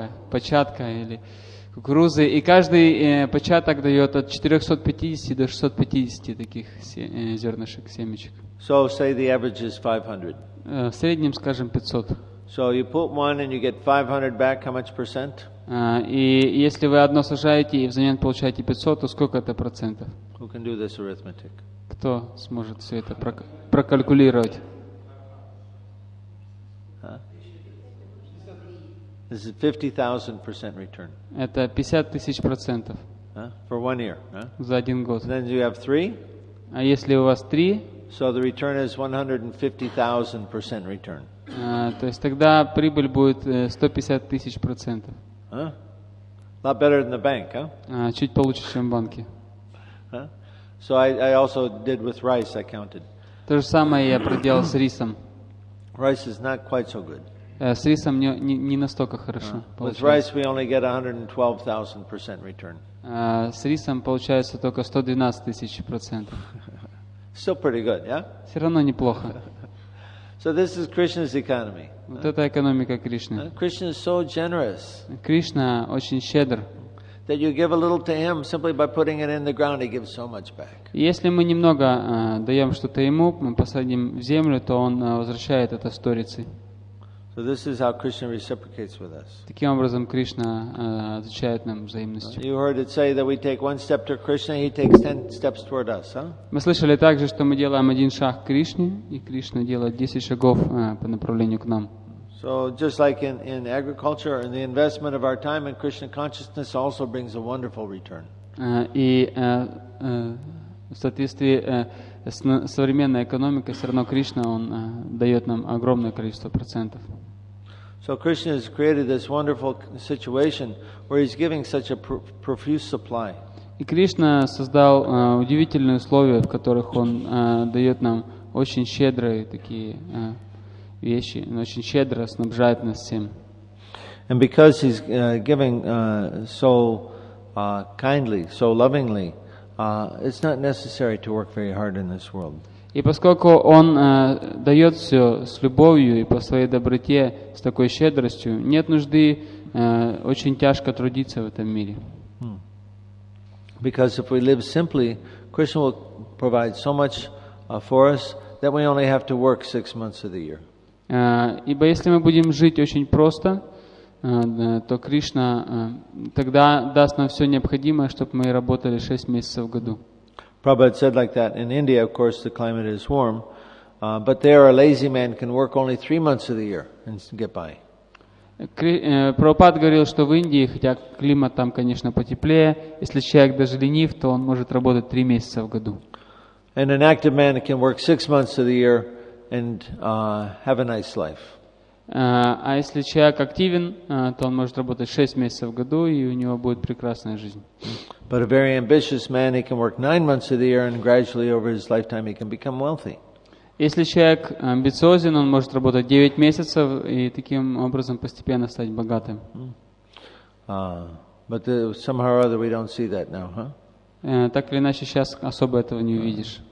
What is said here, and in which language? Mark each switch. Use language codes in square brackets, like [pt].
[ru] Початка или кукурузы. И каждый початок дает от 450 до 650 таких зернышек, семечек. [en] So say the average is 500. [ru] В среднем, скажем, 500. [en] So you put one and you get 500 back, how much percent? [ru] И если вы одно сажаете и взамен получаете 500, то сколько это процентов? [en] Who can do this arithmetic? [ru] Кто сможет все это прокалькулировать? [en] This is 50,000% return. [ru] Это 50,000%. [en] For 1 year. [ru] За 1 год. [en] Then you have 3. [ru] А если у вас 3? [en] So the return is 150,000% return. [ru] То есть тогда прибыль будет 150,000%. [en] A lot better than the bank, huh? [ru] Чуть получше, чем в банке. [en] So I also did with rice, I counted. [ru] То же самое я проделал с рисом. [en] Rice is not quite so good. [ru] С рисом не настолько хорошо. [en] With rice we only get 112,000% return. [ru] С рисом получается только 112,000%. [en] Still pretty good, yeah? [ru] Все равно неплохо. [en] So this is Krishna's economy. [ru] Вот это экономика Кришны. [en] Krishna is so generous. [ru] Кришна очень щедр. [en] That you give a little to him simply by putting it in the ground, he gives so much back. [ru] Если мы немного даем что-то ему, мы посадим в землю, то он возвращает это сторицей. [en] So this is how Krishna reciprocates with us. [ru] Таким образом Кришна отвечает нам взаимностью. [en] You heard it say that we take one step to Krishna, he takes 10 steps toward us, huh? [ru] Мы слышали также, что мы делаем один шаг к Кришне, и Кришна делает 10 шагов по направлению к нам. [en] So just like in agriculture and the investment of our time in Krishna consciousness also brings a wonderful return. [ru] И в соответствии современная экономика, все равно Кришна, он дает нам огромное количество процентов. [en] So Krishna has created this wonderful situation where he's giving such a profuse supply. [ru] И Кришна создал удивительные условия, в которых он дает нам очень щедрые такие вещи, он очень щедро снабжает нас всем. [en] And because he's giving so kindly, so lovingly, it's not necessary to work very hard in this world. [ru] И поскольку он дает все с любовью и по своей доброте, с такой щедростью, нет нужды очень тяжко трудиться в этом мире. [en] Because if we live simply, Krishna will provide so much for us that we only have to work 6 months of the year. [ru] Ибо если мы будем жить очень просто, то Кришна тогда даст нам все необходимое, чтобы мы работали 6 месяцев в году. [en] Prabhupada said like that. In India, of course, the climate is warm, but there a lazy man can work only 3 months of the year and get by. [ru] Прабхупад говорил, что в Индии, хотя климат там, конечно, потеплее, если человек даже ленив, то он может работать 3 месяца в году. [en] And an active man can work 6 months of the year and have a nice life. [ru] А если человек активен, то он может работать 6 месяцев в году, и у него будет прекрасная жизнь. [en] Man, 9 months of the year, and gradually over his lifetime he can become wealthy. [ru] Если человек амбициозен, он может работать 9 месяцев и таким образом постепенно стать богатым. Так или иначе, сейчас особо этого не увидишь.